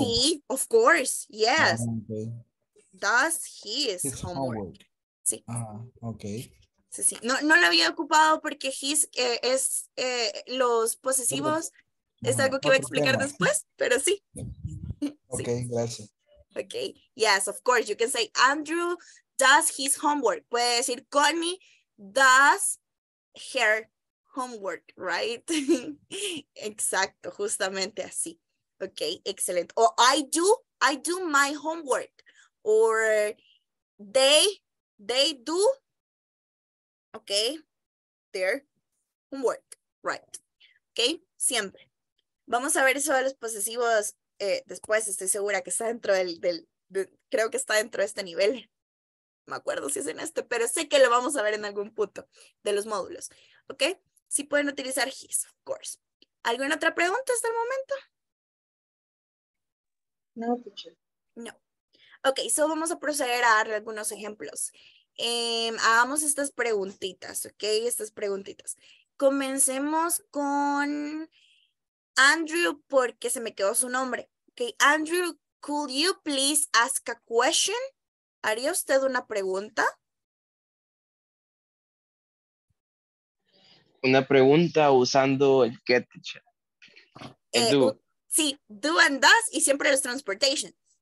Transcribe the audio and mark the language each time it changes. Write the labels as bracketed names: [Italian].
[English] Sí, of course, yes. Does his homework. Sí. Ah, okay. [Spanish] Sí, sí. No lo había ocupado porque his es los posesivos. Es algo que voy a explicar después, pero sí. Okay, sí. Gracias. [English] Okay. Yes, of course. You can say Andrew does his homework. [Spanish] Puede decir [English] Connie does her homework, right? [Spanish] Exacto, justamente así. [English] Okay, excellent. Or I do my homework. Or they do, okay, their homework, right, okay, siempre. [Spanish] Vamos a ver eso de los posesivos después, estoy segura que está dentro creo que está dentro de este nivel, no me acuerdo si es en este, pero sé que lo vamos a ver en algún punto de los módulos, okay, sí pueden utilizar his, of course. ¿Alguna otra pregunta hasta el momento? [English] No, teacher. No. [Spanish] Okay, so vamos a proceder a darle algunos ejemplos. Hagamos estas preguntitas, ¿ok? Estas preguntitas. Comencemos con Andrew porque se me quedó su nombre. [English] Okay, Andrew, could you please ask a question? [Spanish] ¿Haría usted una pregunta? Una pregunta usando el get teacher. Sí, do and does y siempre los transportations.